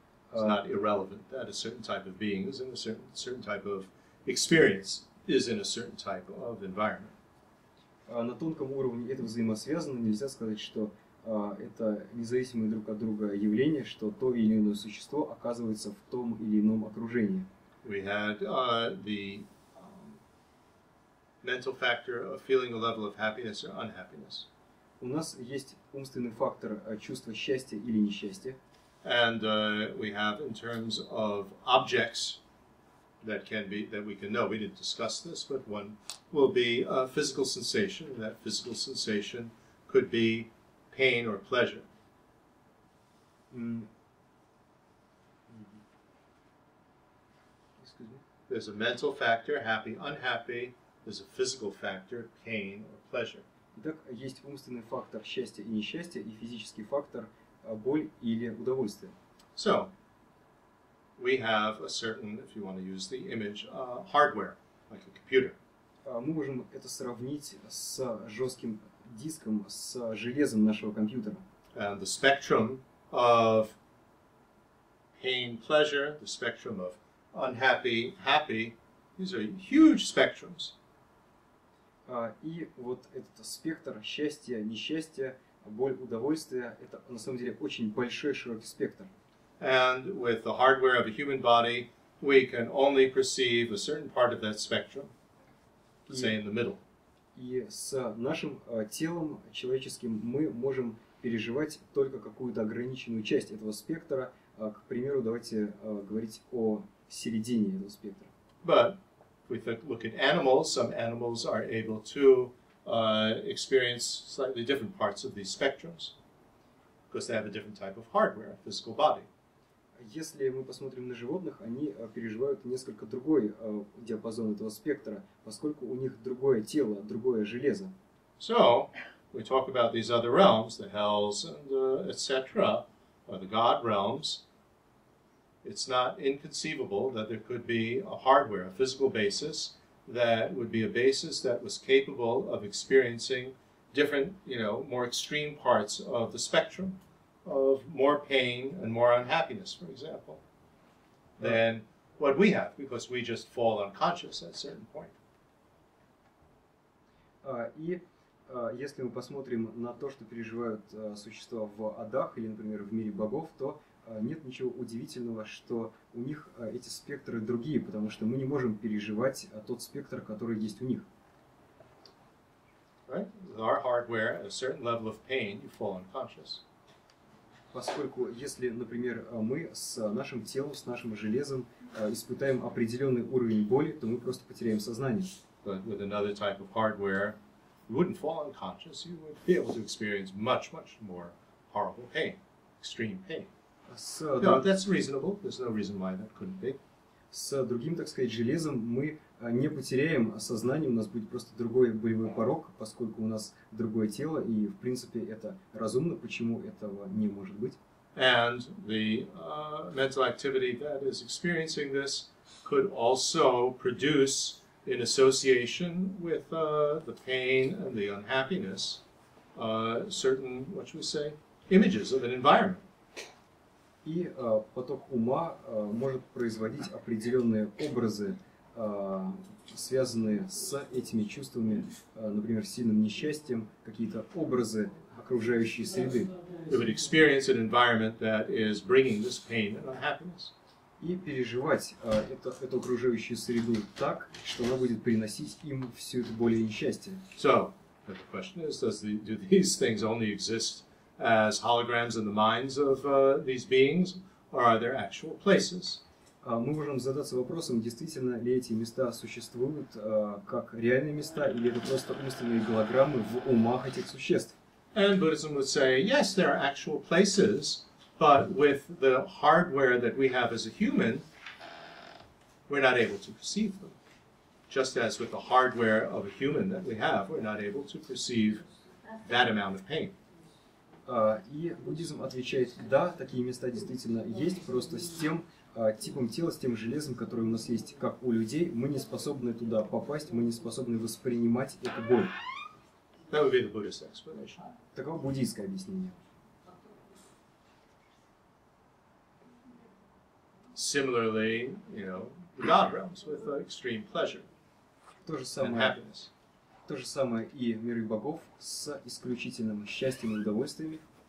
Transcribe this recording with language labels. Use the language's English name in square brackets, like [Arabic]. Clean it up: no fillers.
[English] It's not irrelevant that a certain type of being is in a certain type of experience is in a certain type of environment. [Russian] На тонком уровне это взаимосвязано. Нельзя сказать, что это независимые друг от друга явления, что то или иное существо оказывается в том или ином окружении. [English] We had the mental factor of feeling a level of happiness or unhappiness. [Russian] У нас есть умственный фактор чувства счастья или несчастья. [English] And we have in terms of objects that can be that we can know. We didn't discuss this, but one will be a physical sensation. That physical sensation could be pain or pleasure. There's a mental factor, happy, unhappy. There's a physical factor, pain or pleasure. [Russian] Итак, есть умственный фактор счастья и несчастья, и физический фактор боль или удовольствие. [English] So, we have a certain, if you want to use the image, hardware, like a computer. [Russian] Мы можем это сравнить с жестким диском, с железом нашего компьютера. [English] And the spectrum of pain, pleasure, the spectrum of unhappy, happy, these are huge spectrums. [Russian] И вот этот спектр счастья, несчастья, боль, удовольствие, это на самом деле очень большой, широкий спектр. [English] And with the hardware of a human body, we can only perceive a certain part of that spectrum, say in the middle. [Russian] И с нашим телом человеческим мы можем переживать только какую-то ограниченную часть этого спектра. К примеру, давайте говорить о середине этого спектра. [English] But if we look at animals, some animals are able to experience slightly different parts of these spectrums because they have a different type of hardware, a physical body. [Russian] Если мы посмотрим на животных, они переживают несколько другой диапазон этого спектра, поскольку у них другое тело, другое железо. [English] So, we talk about these other realms, the hells and etc., or the god realms. It's not inconceivable that there could be a hardware, a physical basis, that would be a basis that was capable of experiencing different, you know, more extreme parts of the spectrum. Of more pain and more unhappiness, for example, than what we have, because we just fall unconscious at a certain point. [Russian] И если мы посмотрим на то, что переживают существа в адах или, например, в мире богов, то нет ничего удивительного, что у них эти спектры другие, потому что мы не можем переживать тот спектр, который есть у них. [English] Right? With our hardware, at a certain level of pain, you fall unconscious. [Russian] Поскольку, если, например, мы с нашим телом, с нашим железом испытаем определенный уровень боли, то мы просто потеряем сознание. [English] But with another type of hardware, you wouldn't fall unconscious. You would be able to experience much, much more horrible pain, extreme pain. That's reasonable. There's no reason why that couldn't be. [Russian] С другим, так сказать, железом мы не потеряем сознание, у нас будет просто другой болевой порог, поскольку у нас другое тело, и, в принципе, это разумно, почему этого не может быть. [English] And the mental activity that is experiencing this could also produce, in association with the pain and the unhappiness, certain, what should we say, images of an environment. [Russian] И поток ума может производить определенные образы, связанные с этими чувствами, например, сильным несчастьем, какие-то образы окружающей среды. [English] It would experience an environment that is bringing this pain and unhappiness. [Russian] И переживать эту окружающую среду так, что она будет приносить им всю эту боль и несчастье. [English] So, the question is, do these things only exist as holograms in the minds of these beings, or are there actual places? [Russian] Мы можем задаться вопросом, действительно ли эти места существуют как реальные места, или это просто умственные голограммы в умах этих существ? [English] And Buddhism would say, yes, there are actual places, but with the hardware that we have as a human, we're not able to perceive them. Just as with the hardware of a human that we have, we're not able to perceive that amount of pain. [Russian] И буддизм отвечает, да, такие места действительно есть, просто с тем типом тела, с тем железом, которое у нас есть, как у людей, мы не способны туда попасть, мы не способны воспринимать эту боль. [English] That would be the Buddhist explanation. [Russian] Таково буддийское объяснение. [English] Similarly, you know, God realms with extreme pleasure. [Russian] То же самое. [English] And happiness. [Russian] То же самое и миры богов с исключительным счастьем и удовольствиями.